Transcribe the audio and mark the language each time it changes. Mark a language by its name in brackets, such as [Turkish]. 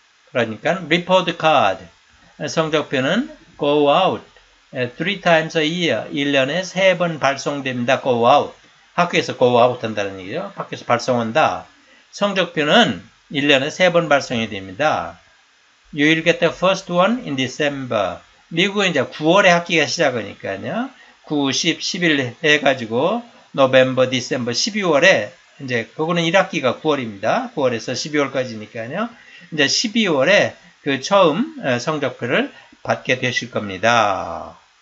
[Korean] 그러니까, report card. 성적표는 [English] go out. 3 times a year. [Korean] 1년에 3번 발송됩니다. [English] go out. [Korean] 학교에서 [English] go out [Korean] 한다는 얘기죠. 학교에서 발송한다. 성적표는 1년에 3번 발송이 됩니다. [English] You will get the first one in December. [Korean] 미국은 이제 9월에 학기가 시작하니까요. 9, 10, 11 해가지고, [English] November, December, [Korean] 12월에, 이제, 그거는 1학기가 9월입니다. 9월에서 12월까지니까요. 이제 12월에 그 처음 성적표를 받게 되실 겁니다.